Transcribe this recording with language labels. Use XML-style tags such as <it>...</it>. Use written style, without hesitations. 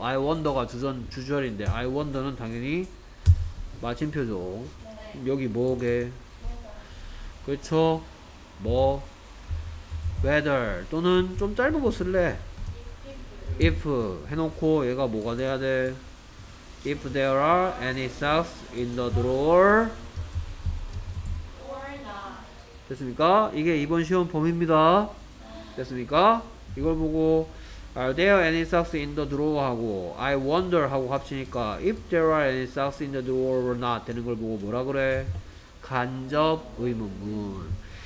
<en>I wonder</en> <ko>가 주절인데 I wonder는 당연히 마침표죠. 여기 뭐게? 그렇죠? 뭐? Whether 또는 좀 짧은 거 쓸래? If 해놓고 얘가 뭐가 돼야 돼?</ko> <en>If there are any socks in the drawer or not.</en> <ko>됐습니까? 이게 이번 시험 범위입니다. 됐습니까? 이걸 보고</ko> <en>Are there any socks in the drawer</en> <ko>하고</ko> <en>I wonder</en> <ko>하고 합치니까</ko> <en>If there are any socks in the drawer or not</en> <ko>되는 걸 보고 뭐라 그래? 간접 의문문.</ko>